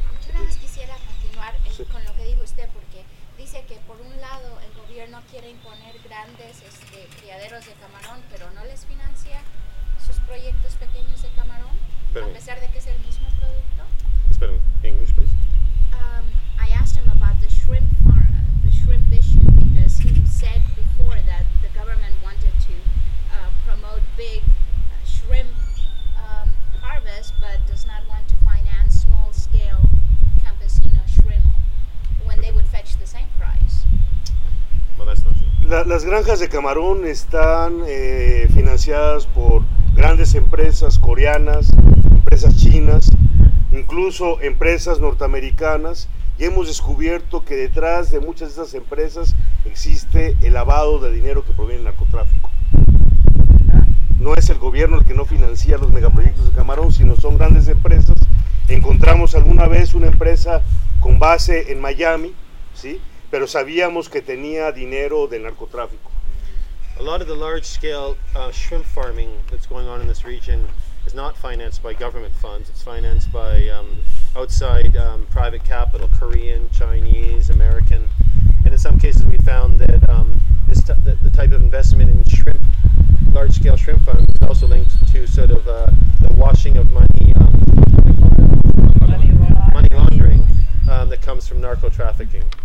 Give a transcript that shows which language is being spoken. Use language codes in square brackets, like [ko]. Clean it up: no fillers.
[es] Yo nada más quisiera continuar con lo que dijo usted, porque dice que por un lado el gobierno quiere imponer grandes criaderos de camarón, pero no les financia sus proyectos pequeños de camarón, a pesar de que es el mismo producto. Espérame, [en] English, please. I asked him about the shrimp issue, because he said before that the government wanted to promote big shrimp harvest, but does not want to finance small-scale campesino shrimp when they would fetch the same price. [es] Las granjas de camarón están financiadas por grandes empresas coreanas, empresas chinas, incluso empresas norteamericanas, y hemos descubierto que detrás de muchas de esas empresas existe el lavado de dinero que proviene del narcotráfico. No es el gobierno el que no financia los megaproyectos de camarón, sino son grandes empresas encontramos alguna vez una empresa con base en Miami, ¿sí? Pero sabíamos que tenía dinero de narcotráfico. [en] A lot of the large scale shrimp farming that's going on in this region is not financed by government funds. It's financed by outside private capital, Korean, Chinese, American. And in some cases we found that the type of investment in shrimp, large scale shrimp farming, is also linked to sort of the washing of money, money laundering that comes from narco trafficking.